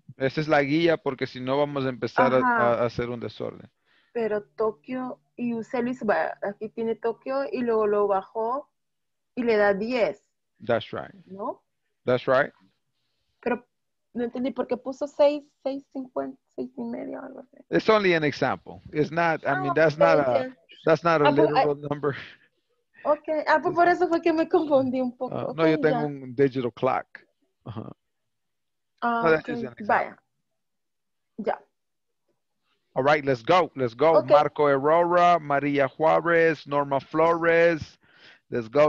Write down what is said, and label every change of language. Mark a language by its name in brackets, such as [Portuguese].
[Spanish] Esa es la guía, porque si no vamos a empezar a hacer un desorden. Pero Tokio, y usted lo hizo, aquí tiene Tokio, y luego lo bajó, y le da 10. [English] That's right. [Spanish] ¿No? [English] That's right. [Spanish] Pero no entendí, ¿por qué puso 6:50, 6:30, algo así? [English] It's only an example. It's not, I mean, that's not a, that's not a literal number. [Spanish] Okay, pues por eso fue que me confundí un poco. No, yo tengo un [English] digital clock. Okay. All right, let's go. Okay. Marco Aurora, Maria Juarez, Norma Flores. Let's go.